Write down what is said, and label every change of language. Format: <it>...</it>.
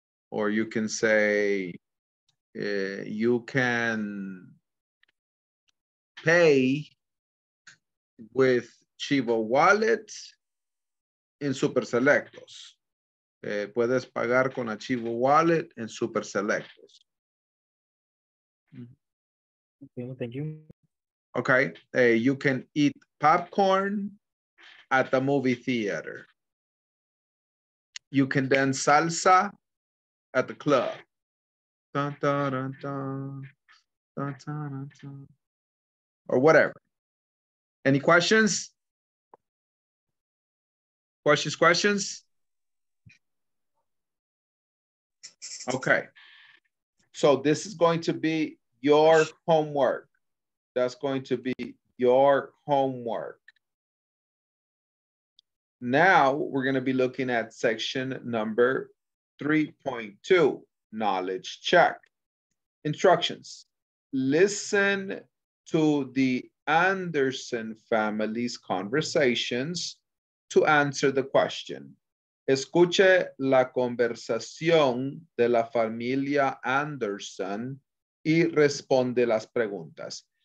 <en>Or you can say, you can pay with Chivo Wallet en Super Selectos.</en> <es>Puedes pagar con Chivo Wallet en Super Selectos.</es> <en>Okay, thank you. Okay, you can eat popcorn at the movie theater. You can dance salsa at the club. Dun, dun, dun, dun. Dun, dun, dun, dun. Or whatever. Any questions? Questions? Okay. So this is going to be your homework. That's going to be your homework. Now we're going to be looking at section number 3.2, knowledge check. Instructions. Listen to the Anderson family's conversations to answer the question.</en> <es>Escuche la conversación de la familia Anderson y responde las preguntas.</es>